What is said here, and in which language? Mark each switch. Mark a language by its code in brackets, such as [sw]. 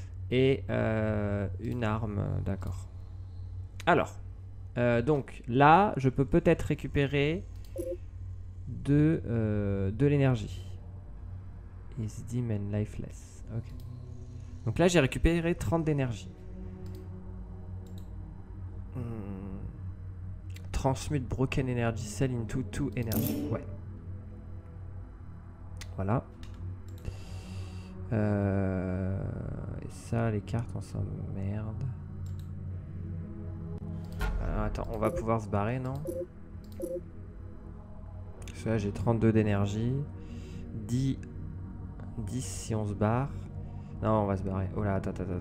[fr] Et une arme, d'accord. Alors, donc là, je peux peut-être récupérer de l'énergie. [en] Is demon lifeless. [fr] Ok. Donc là, j'ai récupéré 30 d'énergie. [en] Transmute broken energy cell into two energy. [fr] Ouais. Voilà. Et ça, les cartes, on s'en merde. Attends, on va pouvoir se barrer, non? Parce que là, j'ai 32 d'énergie. 10 si on se barre. Non, on va se barrer. Oh là, attends.